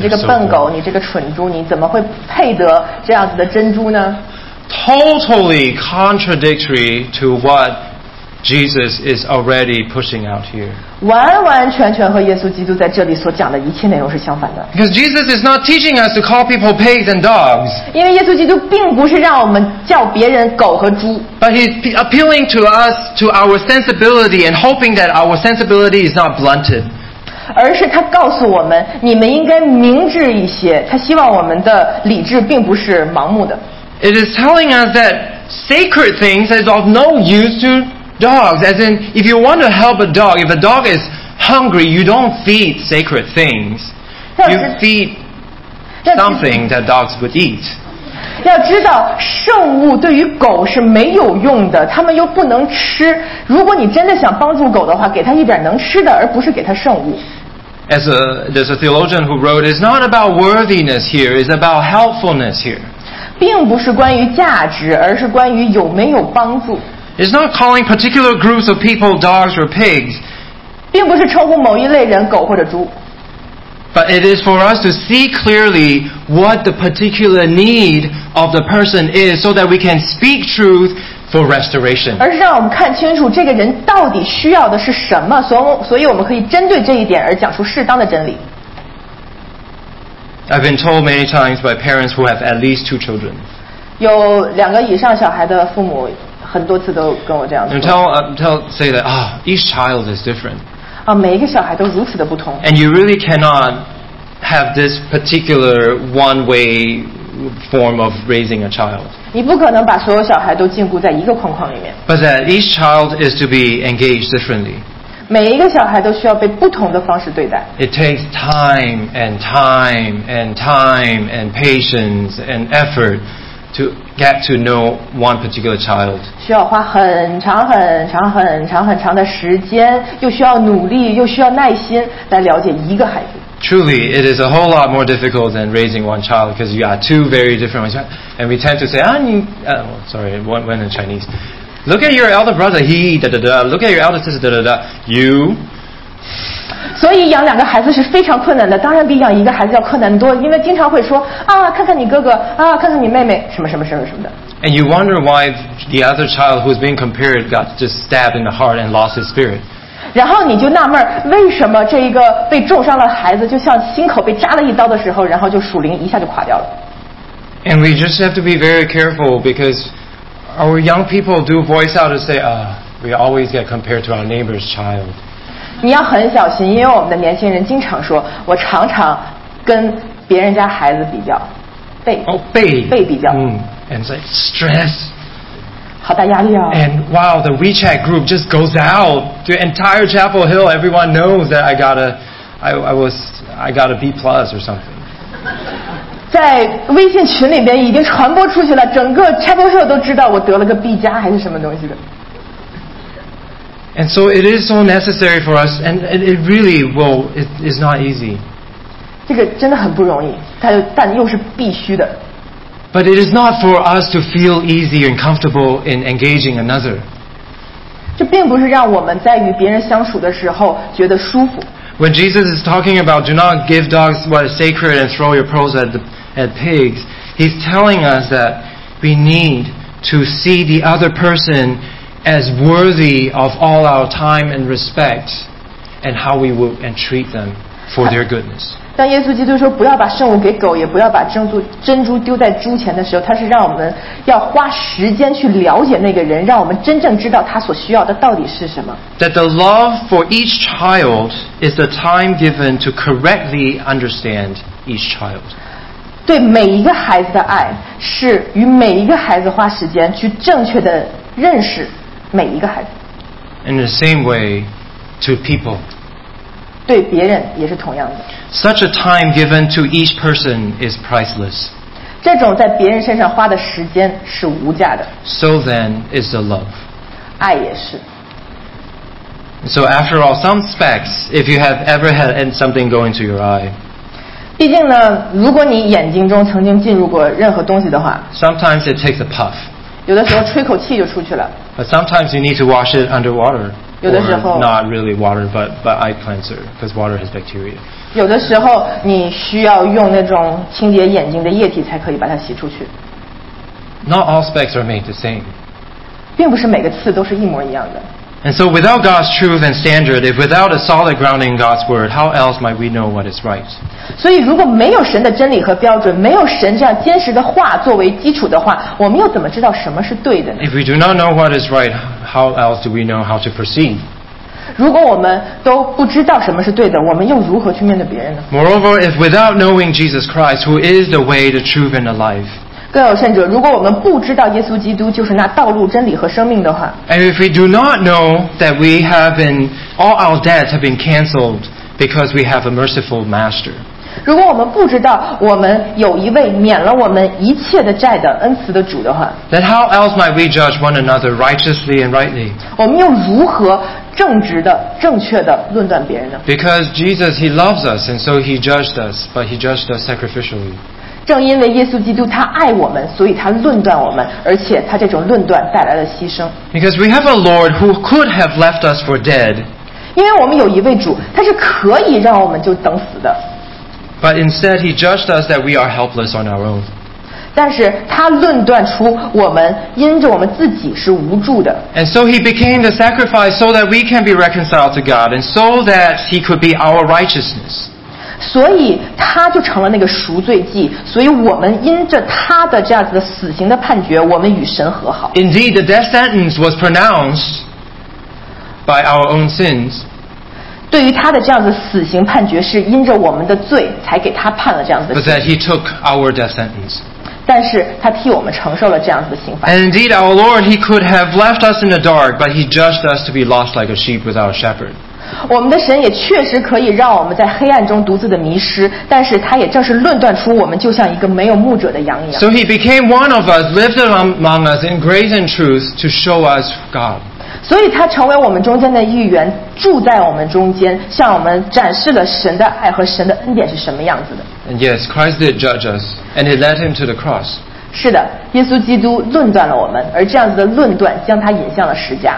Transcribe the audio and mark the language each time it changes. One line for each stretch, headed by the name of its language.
Chinese: 你这个笨狗你这个蠢猪你怎么会配得这样子的珍珠呢
English: Totally contradictory to what Jesus is already pushing out here.
Chinese: 完完全全和耶稣基督在这里所讲的一切内容是相反的。
English: Because Jesus is not teaching us to call people pigs and dogs.
Chinese: 因为耶稣基督并不是让我们叫别人狗和猪。
English: But he's appealing to us to our sensibility and hoping that our sensibility is not blunted.
Chinese: 而是他告诉我们，你们应该明智一些。他希望我们的理智并不是盲目的。
English: It is telling us that sacred things is of no use to dogs. As in, if you want to help a dog, if a dog is hungry, you don't feed sacred things. You feed something that dogs would eat.
Chinese: 要知道，圣物对于狗是没有用的，它们又不能吃。如果你真的想帮助狗的话，给它一点能吃的，而不是给它圣物。
English: As a, there's a theologian who wrote, it's not about worthiness here, it's about helpfulness here.
Chinese: 并不是关于价值，而是关于有没有帮助。
English: It's not calling particular groups of people dogs or pigs.
Chinese: 并不是称呼某一类人狗或者猪。
English: But it is for us to see clearly what the particular need of the person is, so that we can speak truth for restoration.
Chinese: 而是让我们看清楚这个人到底需要的是什么，所以我们可以针对这一点而讲出适当的真理。
English: I've been told many times by parents who have at least two children.
Chinese: 有两个以上小孩的父母很多次都跟我这样说。
English: And say that, oh, each child is different.
Chinese: 啊，每一个小孩都如此的不同。
English: And you really cannot have this particular one way form of raising a child.
Chinese: 你不可能把所有小孩都禁锢在一个框框里面。
English: But that each child is to be engaged differently.
Chinese: 每一个小孩都需要被不同的方式对待。
English: It takes time and time and time and patience and effort to get to know one particular child.
Chinese: 需要花很长很长很长很长的时间，又需要努力，又需要耐心来了解一个孩子。
English: Truly, it is a whole lot more difficult than raising one child because you are two very different ones. And we tend to say, "Ah, you," sorry, when in Chinese. Look at your elder brother, he, da da da. Look at your elder sister, da da da. You.
Chinese: 所以养两个孩子是非常困难的，当然比养一个孩子要困难多，因为经常会说啊，看看你哥哥啊，看看你妹妹，什么什么什么什么的。
English: And you wonder why the other child who's being compared got just stabbed in the heart and lost his spirit.
Chinese: 然后你就纳闷，为什么这一个被重伤的孩子，就像心口被扎了一刀的时候，然后就属灵一下就垮掉了。
English: And we just have to be very careful because. Our young people do voice out to say, we always get compared to our neighbor's child.
Chinese: 你要很小心，因为我们的年轻人经常说，我常常跟别人家孩子比较，被比较。
English: And say stress.
Chinese: 好大压力啊。
English: And wow, the WeChat group just goes out to entire Chapel Hill. Everyone knows that I got a B plus or something.
Chinese: 在微信群里边已经传播出去了，整个 Chapel Hill 都知道我得了个 B 加还是什么东西的。
English: And so it is so necessary for us, and it really will. It is not easy.
Chinese: 这个真的很不容易，但又是必须的。
English: But it is not for us to feel easy and comfortable in engaging another.
Chinese: 这并不是让我们在与别人相处的时候觉得舒服。
English: When Jesus is talking about do not give dogs what is sacred and throw your pearls at pigs, he's telling us that we need to see the other person as worthy of all our time and respect and how we will and treat them for their goodness.
Chinese: 当耶稣基督说不要把圣物给狗，也不要把珍珠丢在猪前的时候，他是让我们要花时间去了解那个人，让我们真正知道他所需要的到底是什么。
English: That the love for each child is the time given to correctly understand each child.
Chinese: 对每一个孩子的爱是与每一个孩子花时间去正确的认识每一个孩子。
English: In the same way to people.
Chinese: 对别人也是同样的。
English: Such a time given to each person is priceless.
Chinese: 这种在别人身上花的时间是无价的。
English: So then is the love.
Chinese: 爱也是。
English: So after all, some specs, if you have ever had something go into your eye.
Chinese: 毕竟呢，如果你眼睛中曾经进入过任何东西的话。
English: Sometimes it takes a puff.
Chinese: 有的时候吹口气就出去了。
English: But sometimes you need to wash it underwater. Or not really water, but eye cleanser, because water has bacteria.
Chinese: 有的时候你需要用那种清洁眼睛的液体才可以把它洗出去。
English: Not all specs are made the same.
Chinese: 并不是每个刺都是一模一样的。
English: And so without God's truth and standard, if without a solid grounding in God's word, how else might we know what is right?
Chinese: 所以如果没有神的真理和标准，没有神这样坚实的话作为基础的话，我们又怎么知道什么是对的呢？
English: If we do not know what is right, how else do we know how to proceed?
Chinese: 如果我们都不知道什么是对的，我们又如何去面对别人呢？
English: Moreover, if without knowing Jesus Christ, who is the way, the truth, and the life,
Chinese: 更有甚者，如果我们不知道耶稣基督就是那道路、真理和生命的话
English: ，And if we do not know that we have been all our debts have been cancelled because we have a merciful master，
Chinese: 如果我们不知道我们有一位免了我们一切的债的恩慈的主的话
English: ，Then how else might we judge one another righteously and rightly？
Chinese: 我们又如何正直的、正确的论断别人呢
English: ？Because Jesus he loves us and so he judged us, but he judged us sacrificially.
Chinese: 正因为耶稣基督他爱我们，所以他论断我们，而且他这种论断带来了牺牲。
English: Because we have a Lord who could have left us for dead.
Chinese: 因为我们有一位主，他是可以让我们就等死的。
English: But instead, he judged us that we are helpless on our own.
Chinese: 但是他论断出我们因着我们自己是无助的。
English: And so he became the sacrifice so that we can be reconciled to God, and so that he could be our righteousness.
Chinese: 所以他就成了那个赎罪祭，所以我们因着他的这样子的死刑的判决，我们与神和好。
English: Indeed, the death sentence was pronounced by our own sins.
Chinese: 对于他的这样子死刑判决，是因着我们的罪才给他判了这样子的。
English: But that he took our death sentence.
Chinese: 但是他替我们承受了这样子的刑罚。
English: And indeed, our Lord, he could have left us in the dark, but he judged us to be lost like a sheep without a shepherd.
Chinese: 我们的神也确实可以让我们在黑暗中独自的迷失，但是他也正是论断出我们就像一个没有牧者的羊一样。
English: So he became one of us, lived among us in grace and truth to show us God.
Chinese: 所以他成为我们中间的一员，住在我们中间，向我们展示了神的爱和神的恩典是什么样子的。
English: And yes, Christ did judge us, and he led him to the cross.
Chinese: 是的，耶稣基督论断了我们，而这样子的论断将他引向了十字架。